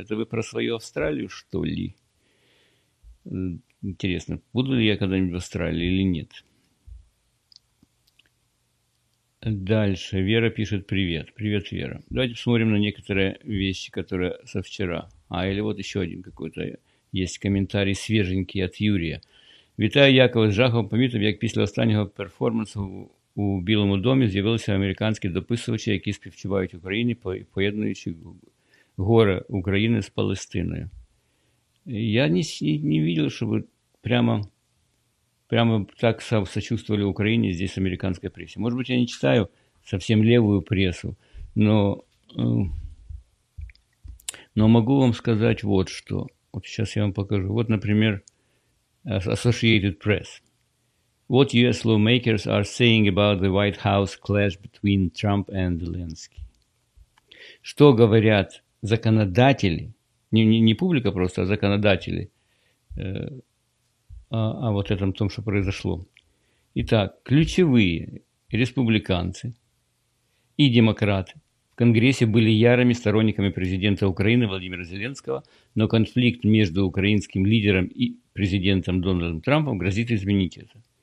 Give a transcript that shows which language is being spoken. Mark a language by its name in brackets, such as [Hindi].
[Russian] Это вы про свою Австралию, что ли? Интересно, буду ли я когда-нибудь в Австралии или нет? Дальше. Вера пишет, привет. Привет, Вера. Давайте посмотрим на некоторые вещи, которые со вчера. А, или вот еще один какой-то есть комментарий свеженький от Юрия. [Ukrainian] Вітаю, Якова, з жахом помітив, як після останнього перформансу у Білому домі з'явилися американські дописувачі, які співчувають Україні, поєднуючи горе України з Палестиною. [Russian] Я не видел, чтобы прямо так сочувствовали Украине здесь американской прессе. Может быть, я не читаю совсем левую прессу, но могу вам сказать вот что. Вот сейчас я вам покажу. Вот, например, Associated Press. [English] What US lawmakers are saying about the White House clash between Trump and Zelensky. [Russian] Что говорят законодатели, не публика просто, а законодатели о вот этом том, что произошло. Итак, ключевые республиканцы и демократы в Конгрессе были ярыми сторонниками президента Украины Владимира Зеленского, но конфликт между украинским лидером и президентом Дональдом Трампом грозит изменить это.